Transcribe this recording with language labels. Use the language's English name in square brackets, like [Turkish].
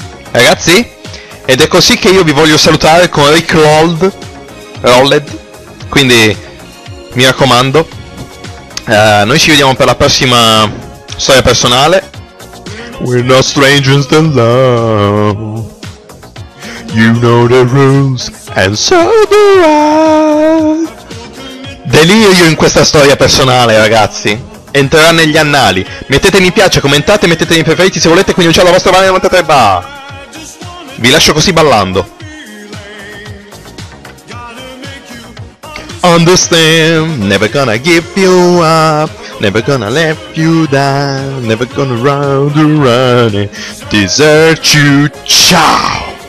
[Italian] Ragazzi, ed è così che io vi voglio salutare con Rick Rolled, Rolled. Quindi, mi raccomando, noi ci vediamo per la prossima storia personale. [English] We're not strangers to love. You know the rules, and so do I. [Italian] Delirio in questa storia personale, ragazzi. Entrerà negli annali. Mettete mi piace, commentate, mettete i preferiti se volete, quindi non c'è la vostra valle 93 bar. Vi lascio così ballando. [English] Understand, never gonna give you up, never gonna let you down, never gonna round around and desert you. [Italian] Ciao.